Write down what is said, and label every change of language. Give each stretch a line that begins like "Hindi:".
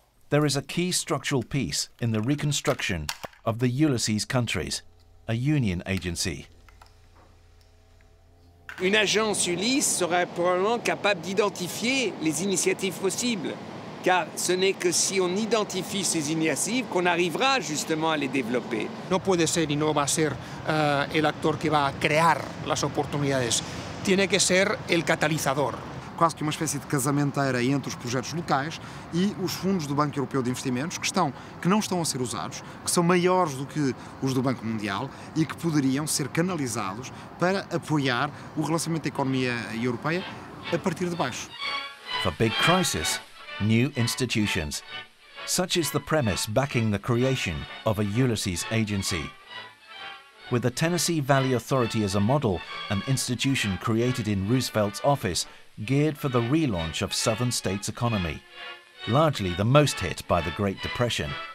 English: There is a key structural piece in the reconstruction of the ULYSSES countries, a union agency.
French: Une agence ULYSSES serait probablement capable d'identifier les initiatives possibles, car ce n'est que si on identifie ces initiatives qu'on arrivera justement à les développer.
Spanish: No puede ser y no va a ser el actor que va a crear las oportunidades. Tiene que ser el catalizador.
Portuguese: Quase que uma espécie de casamenteira entre os projetos locais e os fundos do Banco Europeu de Investimentos, que não estão a ser usados, que são maiores do que os do Banco Mundial e que poderiam ser canalizados para apoiar o relacionamento da economia europeia a partir de baixo.
English: For big crisis, new institutions. Such is the premise backing the creation of a ULYSSES agency. With the Tennessee Valley Authority as a model, an institution created in Roosevelt's office, geared for the relaunch of southern states' economy, largely the most hit by the Great Depression.